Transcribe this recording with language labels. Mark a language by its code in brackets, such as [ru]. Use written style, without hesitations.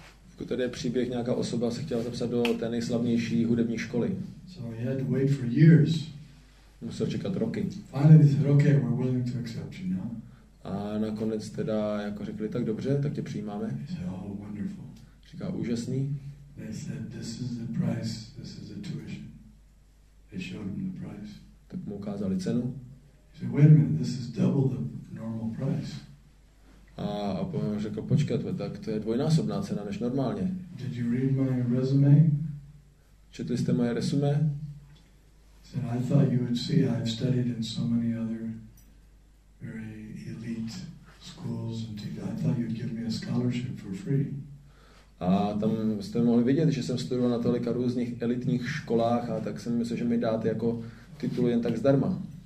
[cs] Jako tady je příběh, nějaká osoba se chtěla zapsat do té nejslavnější hudební školy. [en] So he had to wait for years. [cs] Musel čekat roky. [en] Finally said, okay, we're willing to accept you now. [cs] A nakonec teda jako řekli, tak dobře, tak tě přijímáme. [en] He said, oh, wonderful. [cs] Říká, úžasný. [en] They said, this is the price, this is the tuition. They showed him the price. [cs] Tak mu ukázali cenu. [en] He said, wait a minute, this is double the normal price. [cs] A řekl, počkat, tak to je dvojnásobná cena než normálně. [en] Did you read my resume? [cs] Četli jste moje resume? [en] He said, I thought you would see, I've studied in so many other very elite schools and I thought you'd give me a scholarship for free. [cs] A tam jste mohli vidět, že jsem studoval na tolika různých elitních školách a tak jsem myslel, že mi dáte jako titul jen tak zdarma.